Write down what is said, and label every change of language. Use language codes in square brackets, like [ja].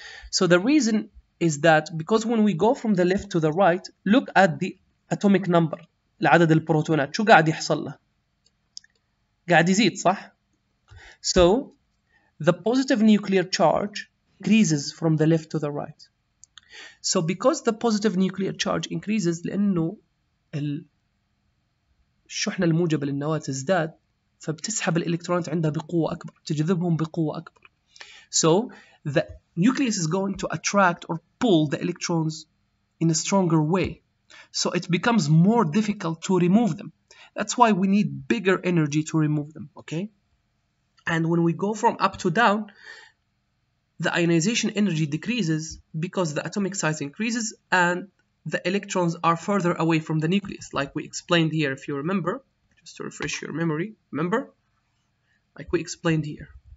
[en] So the reason is that because when we go from the left to the right, look at the atomic number, [ar] العدد البروتونات, شو قاعد يحصل له؟ قاعد يزيد, صح؟ [en] So, the positive nuclear charge increases from the left to the right. So, because the positive nuclear charge increases, [ar] لأنه الشحنة الموجبة للنواة تزداد, فبتسحب الإلكترونات عندها بقوة أكبر, تجذبهم بقوة أكبر. [en] So, the nucleus is going to attract or pull the electrons in a stronger way. So, it becomes more difficult to remove them. That's why we need bigger energy to remove them, okay? And when we go from up to down, the ionization energy decreases because the atomic size increases and the electrons are further away from the nucleus, like we explained here, if you remember, just to refresh your memory, remember? Like we explained here.